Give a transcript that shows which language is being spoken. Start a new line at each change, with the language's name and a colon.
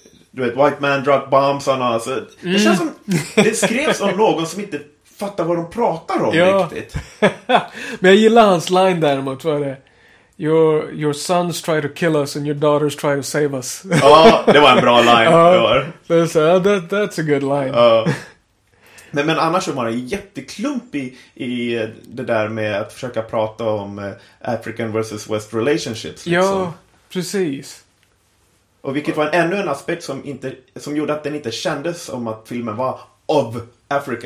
Swedish: Du vet,
English: white man dropped bombs on us.
Swedish: Det mm. känns som det skrevs av någon som inte fattar vad de pratar om ja. Riktigt. Men jag gillar hans line däremot, vad är det?
English: Your sons try to kill us and your daughters try to save us.
Swedish: Ja, oh, det var en bra line.
English: That's a good line.
Swedish: Men annars var man jätteklumpig i det där med att försöka prata om
English: African versus West relationships.
Swedish: Liksom. Ja, precis. Och vilket var ännu en aspekt som gjorde att den inte kändes som att filmen var of Africa.